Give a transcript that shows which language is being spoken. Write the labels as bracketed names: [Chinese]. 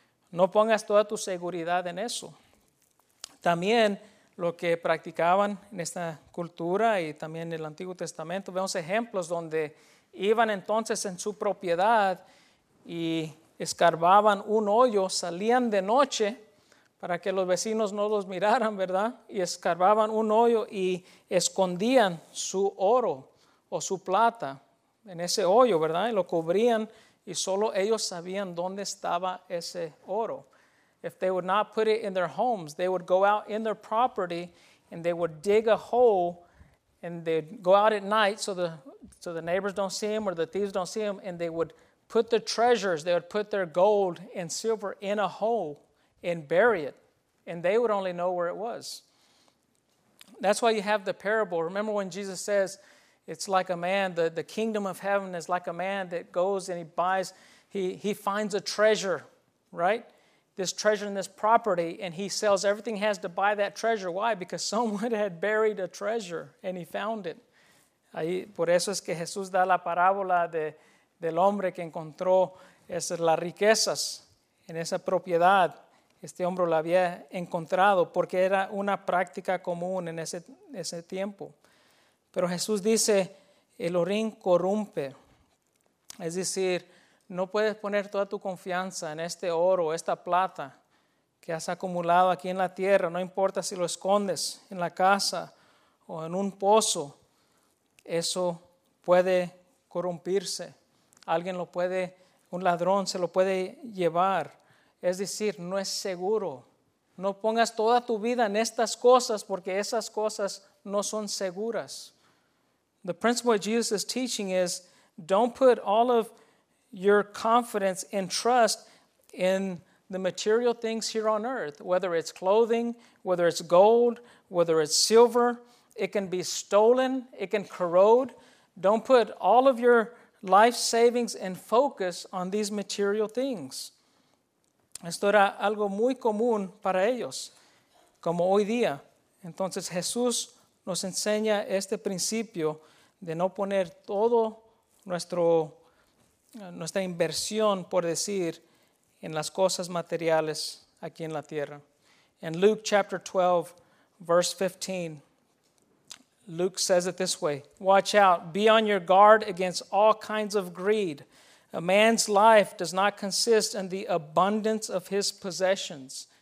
[Spanish] No pongas toda tu seguridad en eso. También lo que practicaban en esta cultura y también en el Antiguo Testamento, vemos ejemplos donde iban entonces en su propiedad y escarbaban un hoyo, salían de noche para que los vecinos no los miraran, ¿verdad? Y escarbaban un hoyo y escondían su oro o su plata en ese hoyo, ¿verdad? Y lo cubrían y solo ellos sabían dónde estaba ese oro. [English] If they would not put it in their homes, they would go out in their property and they would dig a hole and they'd go out at night so the neighbors don't see them or the thieves don't see them, and they would put the treasures, they would put their gold and silver in a hole and bury it, and they would only know where it was. That's why you have the parable. Remember when Jesus says, it's like a man, the kingdom of heaven is like a man that goes and he finds a treasure, right? This treasure in this property, and he sells everything he has to buy that treasure. Why? Because someone had buried a treasure, and he found it. [Spanish] Ahí, por eso es que Jesús da la parábola del hombre que encontró esas, las riquezas en esa propiedad. Este hombre la había encontrado porque era una práctica común en ese tiempo. Pero Jesús dice, el orín corrompe. Es decir, no puedes poner toda tu confianza en este oro, esta plata que has acumulado aquí en la tierra. No importa si lo escondes en la casa o en un pozo. Eso puede corrompirse. Alguien lo puede, un ladrón se lo puede llevar. Es decir, no es seguro. No pongas toda tu vida en estas cosas porque esas cosas no son seguras. [English] The principle of Jesus is teaching is don't put all of your confidence and trust in the material things here on earth, whether it's clothing, whether it's gold, whether it's silver. It can be stolen. It can corrode. Don't put all of your life savings and focus on these material things. [Spanish] Esto era algo muy común para ellos, como hoy día. Entonces Jesús nos enseña este principio de no poner todo nuestra inversión, por decir, en las cosas materiales aquí en la tierra. [English] In Luke chapter 12, verse 15, Luke says it this way, "Watch out, be on your guard against all kinds of greed. A man's life does not consist in the abundance of his possessions."